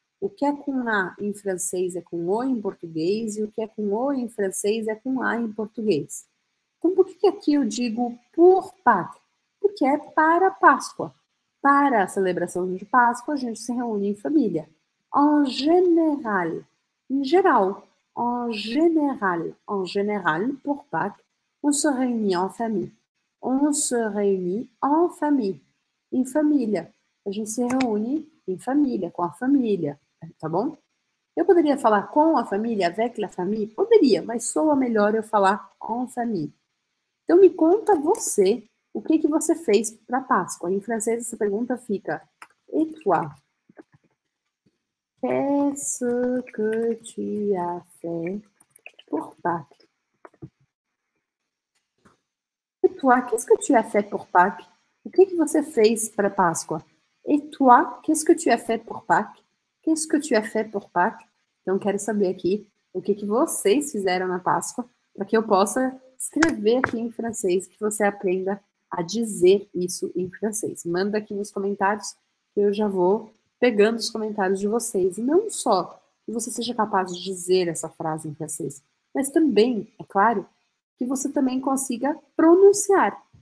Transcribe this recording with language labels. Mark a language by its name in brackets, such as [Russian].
[Portuguese] O que é com A em francês é com O em português e o que é com O em francês é com A em português. Então, por que aqui eu digo por Pâques? Porque é para Páscoa. Para a celebração de Páscoa, a gente se reúne em família. [French] En général, [Portuguese] em geral. [French] En général, pour Pâques, on se réunit en famille. On se réunit en famille. [Portuguese] Em família. A gente se reúne em família, com a família, tá bom? Eu poderia falar com a família, [French] avec la famille? [Portuguese] Poderia, mas soa melhor eu falar en famille. Então me conta você o que que você fez para Páscoa. Em francês, essa pergunta fica: [French] Et toi? Qu'est-ce que tu as fait pour Pâques? Et toi, qu'est-ce que tu as fait pour Pâques? [Portuguese] O que que você fez para Páscoa? [French] Et toi, qu'est-ce que tu as fait pour Pâques? Qu'est-ce que tu as fait pour Pâques? [Portuguese] Então, quero saber aqui o que que vocês fizeram na Páscoa para que eu possa escrever aqui em francês, que você aprenda a dizer isso em francês. Manda aqui nos comentários que eu já vou pegando os comentários de vocês. E não só que você seja capaz de dizer essa frase em francês, mas também, é claro, que você também consiga pronunciar.